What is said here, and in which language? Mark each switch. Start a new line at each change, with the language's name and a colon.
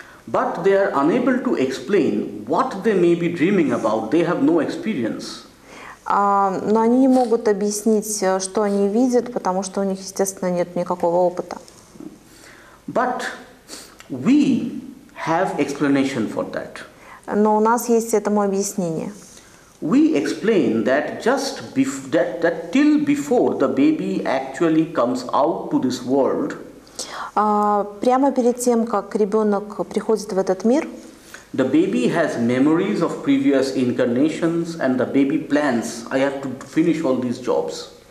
English: But they are unable to explain what they may be dreaming about. They have no experience.
Russian: Но они не могут объяснить, что они видят, потому что у них, естественно, нет никакого опыта.
English: But we have explanation for that.
Russian: Но у нас есть этому объяснение.
English: We explain that just that till before the baby actually comes out to this world,
Russian: прямо перед тем, как ребенок приходит в этот мир,
English: the baby has memories of previous incarnations and the baby plans, I have to finish all these jobs.